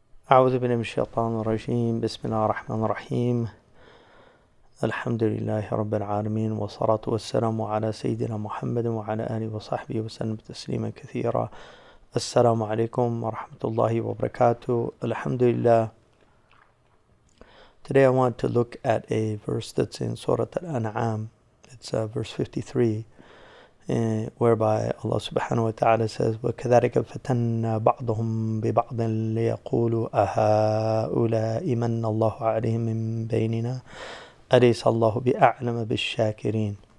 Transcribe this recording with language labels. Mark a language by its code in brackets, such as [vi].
[ar] أعوذ بالله من الشيطان الرجيم. بسم الله الرحمن الرحيم. الحمد لله رب العالمين، والصلاة والسلام على سيدنا محمد وعلى آله وصحبه وسلم تسليما كثيرا. السلام عليكم ورحمة الله وبركاته. الحمد لله. [en] Today I want to look at a verse that's in Surah Al-An'am. It's verse 53, whereby Allah subhanahu wa ta'ala says, [ar] وَكَذَلِكَ فَتَنَّ بَعْضُهُمْ بِبَعْضٍ لِيَقُولُوا أَهَؤُلَاءِ مَنَّ اللَّهُ عَلَيْهِمْ مِنْ بَيْنِنَا أَلَيْسَ اللَّهُ بِأَعْلَمَ بِالشَّاكِرِينَ.